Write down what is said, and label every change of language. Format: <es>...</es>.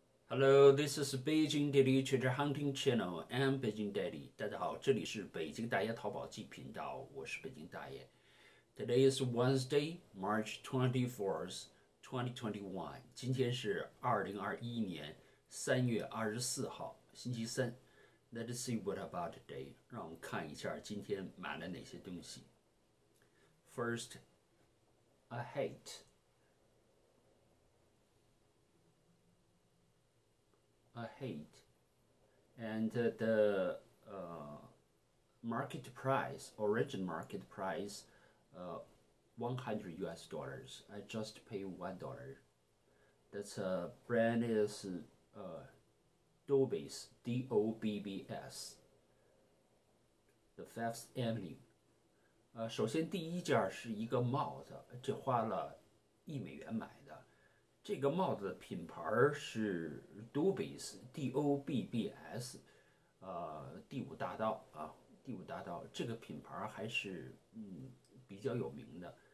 <en>Hello, this is Beijing Daily Treasure Hunting Channel. I'm Beijing Daily.</en> <zh>大家好，这里是北京大爷淘宝记频道，我是北京大爷。</zh> <en>Today is Wednesday, March 24th, 2021.</en> <zh>今天是2021年3月24号，星期三。</zh> <en>Let's see what about today.</en> <zh>让我们看一下今天买了哪些东西。</zh> <en>First, a hat. A hat, and the market price, origin market price, $100. I just pay $1. That's a brand is Dobbs, Dobbs, the Fifth Avenue.</en> <zh>首先第一件是一个帽子，这花了1美元买的。这个帽子的品牌是 Dobbs，第五大道。这个品牌还是比较有名的。</zh>